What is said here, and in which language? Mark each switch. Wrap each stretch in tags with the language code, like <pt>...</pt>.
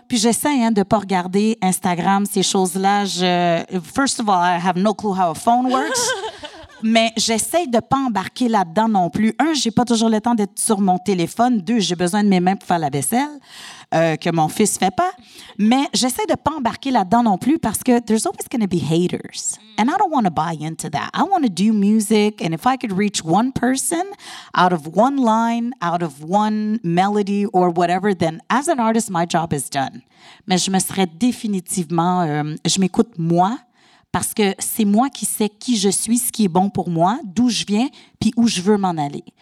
<fr>Puis j'essaie de ne pas regarder Instagram, ces choses-là.</fr> <en>First of all, I have no clue how a phone works.</en> <fr>Mais j'essaie de ne pas embarquer là-dedans non plus. Un, je n'ai pas toujours le temps d'être sur mon téléphone. Deux, j'ai besoin de mes mains pour faire la vaisselle, que mon fils ne fait pas. Mais j'essaie de ne pas embarquer là-dedans non plus parce que</fr> <en>there's always going to be haters. And I don't want to buy into that. I want to do music. And if I could reach one person out of one line, out of one melody or whatever, then as an artist, my job is done.</en> <fr>Mais je me serais définitivement... je m'écoute moi parce que c'est moi qui sais qui je suis, ce qui est bon pour moi, d'où je viens puis où je veux m'en aller.</fr>